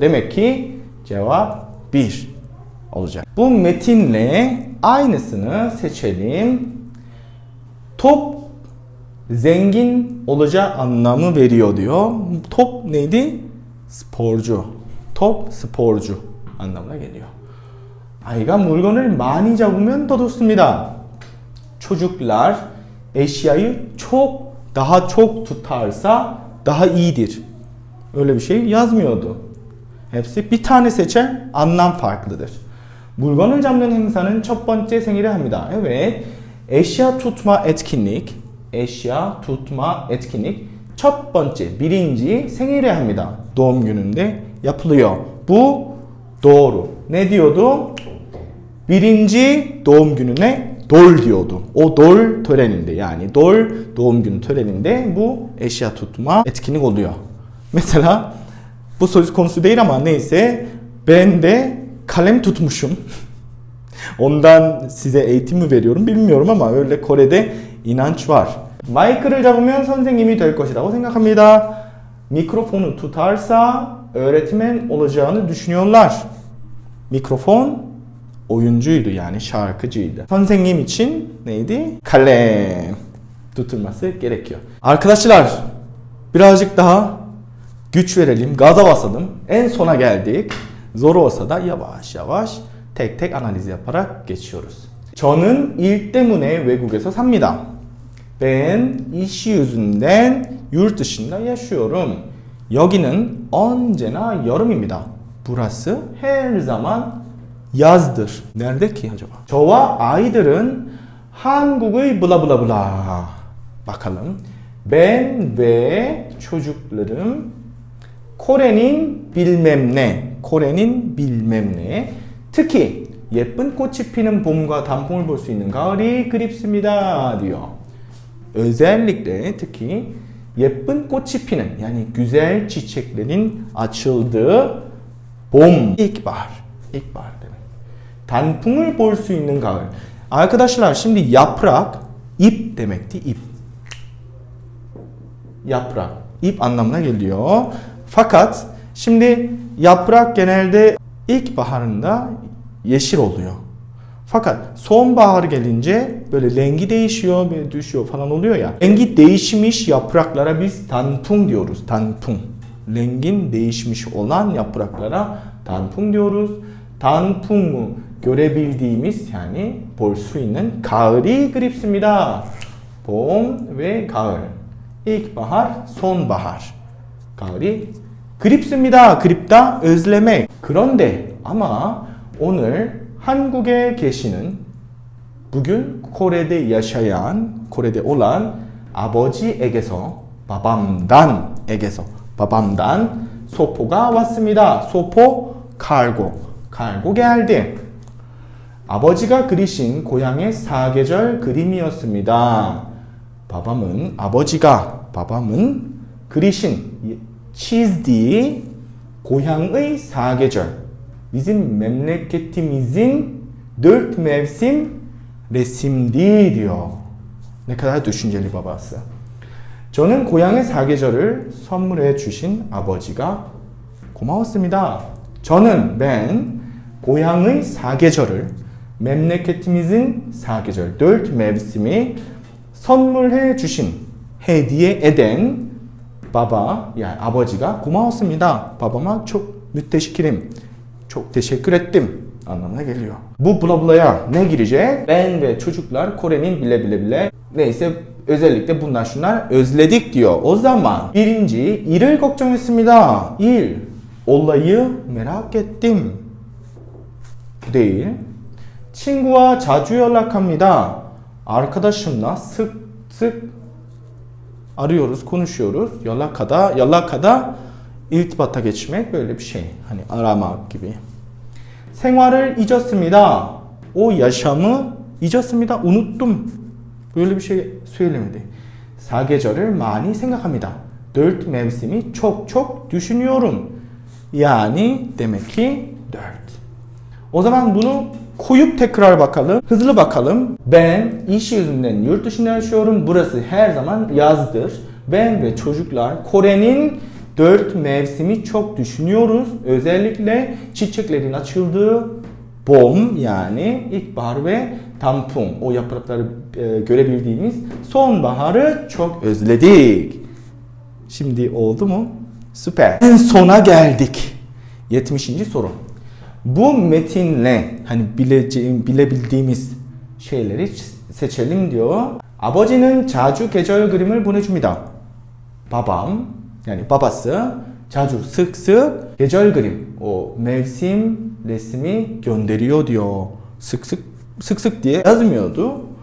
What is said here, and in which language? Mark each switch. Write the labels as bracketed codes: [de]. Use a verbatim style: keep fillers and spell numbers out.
[tr] Demek ki cevap bir olacak. Bu metinle aynısını seçelim. Top zengin olacağı anlamı veriyor diyor. Top neydi? Sporcu. Top sporcu anlamına geliyor. [ko] 아이가 물건을 많이 잡으면 더 좋습니다. [tr] Çocuklar eşyayı çok daha çok tutarsa daha iyidir. Öyle bir şey yazmıyordu. Hepsi bir tane seçer, anlam farklıdır. [ko] 물건을 잡는 행사는 첫 번째 생일에 합니다. [tr] Evet, eşya tutma etkinlik, eşya tutma etkinlik 첫 번째, birinci [ko] 생일에 합니다. [tr] doğum gününde yapılıyor. Bu doğru. Ne diyordu? Birinci doğum gününe 돌 diyordu. O 돌 töreninde yani 돌 doğum günü töreninde bu eşya tutma etkinlik oluyor. Mesela bu söz konusu değil ama neyse ben de kalem tutmuşum. Ondan size eğitimi veriyorum bilmiyorum ama öyle Kore'de inanç var. [ko] 마이크를 잡으면 선생님이 될 것이라고 생각합니다. [tr] Mikrofonu tutarsa öğretmen olacağını düşünüyorlar. Mikrofon oyuncuydu yani şarkıcıydı. 선생님 için neydi? Kalem tutulması gerekiyor. Arkadaşlar birazcık daha güç verelim, gaza basalım. En sona geldik. Zor olsa da yavaş yavaş tek tek analiz yaparak geçiyoruz. [ko] 저는 일 때문에 외국에서 삽니다. [tr] Ben işi yüzünden yurt dışında yaşıyorum. [ko] 여기는 언제나 여름입니다. [tr] Burası her zaman yazdır. Nerede ki acaba? [ko] 저와 아이들은 한국의 블라블라블라. [tr] Bakalım. Ben ve çocuklarım Korenin bilmem ne. Korenin bilmem ne. 특히 [ko] 예쁜 꽃이 피는 봄과 단풍을 볼 수 있는 가을이 그립습니다. [tr] diyor. Özellikle [ko] 특히 예쁜 꽃이 피는 [tr] yani güzel çiçeklerin açıldığı 봄 ilkbahar ilkbahar demek. [ko] 단풍을 볼 수 있는 가을. [tr] Arkadaşlar şimdi yaprak ip demekti ip. Yaprak ip anlamına geliyor. Fakat şimdi yaprak genelde ilkbaharında yeşil oluyor. Fakat sonbahar gelince böyle rengi değişiyor, böyle düşüyor falan oluyor ya. Rengi değişmiş yapraklara biz tanpung diyoruz. Tanpung. Rengin değişmiş olan yapraklara tanpung diyoruz. Tanpung'u görebildiğimiz yani [ko] 볼 수 있는 가을이 그립습니다. [tr] 봄 ve 가을. İlkbahar, sonbahar. [ko] 가을이 그립습니다. 그립다, özlemek. 그런데 아마 오늘 한국에 계시는 [tr] bugün Kore'de yaşayan, Kore'de olan [ko] 아버지에게서 babamdan에게서 babamdan 소포가 왔습니다. [tr] 소포 cargo, cargo geldi. [ko] 아버지가 그리신 고향의 사계절 그림이었습니다. [tr] babam은 아버지가 babam은 그리신 çizdiği [ko] 고향의 사계절 [tr] bizim memleketimizin dört mevsim resimdi diyor. Ne kadar düşünceli babası. [ko] 저는 고향의 사계절을 선물해 주신 아버지가 고마웠습니다. 저는 ben 고향의 사계절을 memleketimizin 사계절 [tr] dört mevsimi [ko] 선물해 주신 [tr] hediye eden baba yani [ko] 아버지가 고마웠습니다. [tr] babama çok müteşekkirim. Çok teşekkür ettim anlamına geliyor. Bu bula bula'ya ne girecek? Ben ve çocuklar Kore'nin bile bile bile neyse özellikle bunlar şunlar özledik diyor. O zaman birinci [ko] 일을 걱정했습니다. [tr] 일 olayı merak ettim. Bu değil. [ko] 친구와 자주 연락합니다. [tr] Arkadaşımla sık sık arıyoruz, konuşuyoruz. 연락하다, 연락하다 일티바타 geçmek böyle bir şey. Hani aramak gibi. [ko] 생활을 잊었습니다. [tr] O yaşamı 잊었습니다. Unuttum. Böyle bir şey söylemedi. [ko] 사계절을 많이 생각합니다. [tr] Dört mevsimi çok çok düşünüyorum. Yani demek ki dört. O zaman bunu koyup tekrar bakalım. Hızlı bakalım. Ben iş yüzünden yurt dışında yaşıyorum. Burası her zaman yazdır. Ben ve çocuklar Kore'nin dört mevsimi çok düşünüyoruz. Özellikle çiçeklerin açıldığı bom yani ilkbahar ve tanpung o yaprakları e, görebildiğimiz sonbaharı çok özledik. Şimdi oldu mu? Süper. En sona geldik. yetmişinci soru. Bu metinle hani bileceğim, bilebildiğimiz şeyleri seçelim diyor. [ko] 아버지는 자주 계절 그림을 보내줍니다. [tr] Babam yani babası 자주 sık sık [ko] 계절 그림 [tr] o mevsim resmi gönderiyor diyor. Sık sık sık sık diye yazmıyordu.